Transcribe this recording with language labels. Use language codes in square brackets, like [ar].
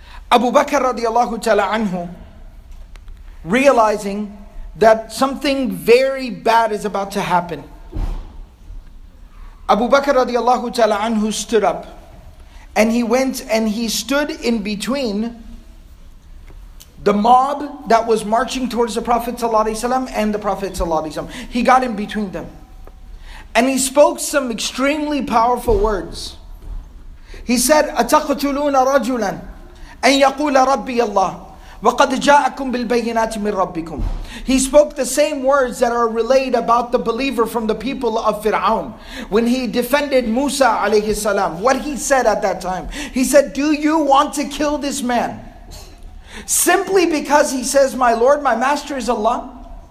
[en] Abu Bakr radiallahu ta'ala anhu, realizing that something very bad is about to happen, Abu Bakr radiallahu ta'ala anhu stood up and he went and he stood in between the mob that was marching towards the Prophet ﷺ and the Prophet ﷺ. He got in between them. And he spoke some extremely powerful words. He said, [ar] أَتَقْتُلُونَ رَجُلًا أَنْ يَقُولَ رَبِّيَ اللَّهِ وَقَدْ جَاءَكُمْ بِالْبَيِّنَاتِ مِنْ رَبِّكُمْ. [en] He spoke the same words that are relayed about the believer from the people of Fir'aun. When he defended Musa alayhi salam, what he said at that time. He said, do you want to kill this man? Simply because he says, my Lord, my master is Allah.